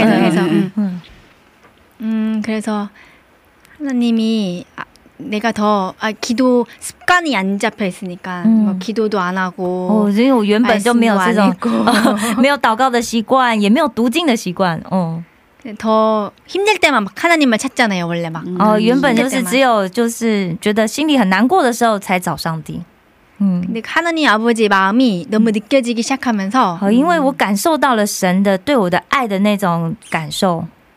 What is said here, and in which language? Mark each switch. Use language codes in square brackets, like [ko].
[zh] 因为他的意思是因为他看到了彼得的那个过程，那个过程，因为彼得否认了三次耶稣嘛，然后可是上帝没有跟他说怎么怎么样，没有责备他，然后耶稣一直持续在等他，对，一直耶稣很忍耐的等他，等他跟耶稣说话嘛，然后他心里面满有对彼得的爱嘛，所以他通过那个场面就感受到了上帝那么的爱我，那么的爱我，爱彼得一样那么的爱我，然后他一直忍耐我，他一直等着我回来，他看到那个场面的时候就感受到了上帝的爱。嗯，请继续继续，可以走，可以走，可以走，嗯嗯，可以说。 [ko] 하나님이 내가 더 기도 습관이 안 잡혀있으니까 기도도 안 하고 [zh] 因为我原本就没有这种没有祷告的习惯，也没有读经的习惯，더 [ko] 힘들 때만 막 하나님을 찾잖아요 원래 [zh] 막，原本就是只有就是觉得心里很难过的时候才找上帝。 [ko] 근데 하나님 아버지 마음이 너무 느껴지기 시작하면서 [zh] 因为我感受到了神的对我的爱的那种感受。